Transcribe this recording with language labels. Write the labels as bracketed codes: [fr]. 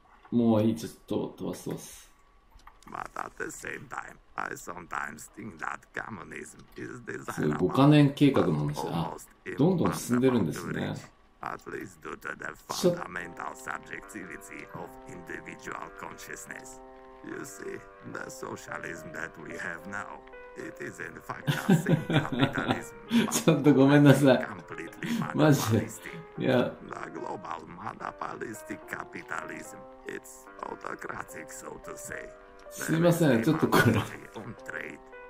[ja] もういい、ちょっと飛ばそうす。 [en] But at the same time, I sometimes think that communism is desirable. [ja] 5カ年計画の話。あ、どんどん進んでるんですね。 [en] At least due to the fundamental subjectivity of individual consciousness. You see, the socialism that we have now, it is in fact the same capitalism. But completely monopolistic. The global monopolistic capitalism, it's autocratic, so to say. [ja] すいません、ちょっとこれ。